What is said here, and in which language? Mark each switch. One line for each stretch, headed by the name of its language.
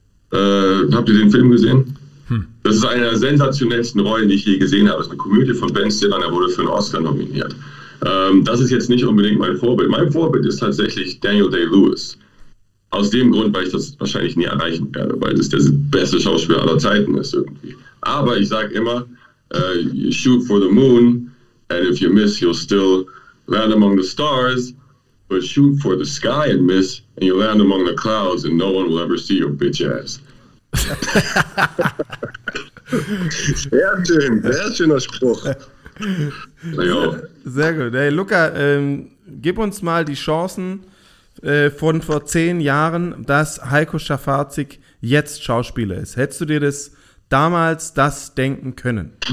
German: Habt ihr den Film gesehen? Das ist eine der sensationellsten Rollen, die ich je gesehen habe. Das ist eine Komödie von Ben Stiller, er wurde für einen Oscar nominiert. Das ist jetzt nicht unbedingt mein Vorbild. Mein Vorbild ist tatsächlich Daniel Day-Lewis. Aus dem Grund, weil ich das wahrscheinlich nie erreichen werde, weil das der beste Schauspieler aller Zeiten ist irgendwie. Aber ich sage immer,
English: you shoot for the moon, and if you miss, you'll still land among the stars. But shoot for the sky and miss, and you'll land among the clouds, and no one will ever see your bitch ass.
German: Sehr schön, sehr schöner Spruch. Sehr gut. Hey Luca, gib uns mal die Chancen von vor 10 Jahren, dass Heiko Schafazik jetzt Schauspieler ist. Hättest du dir das damals denken können?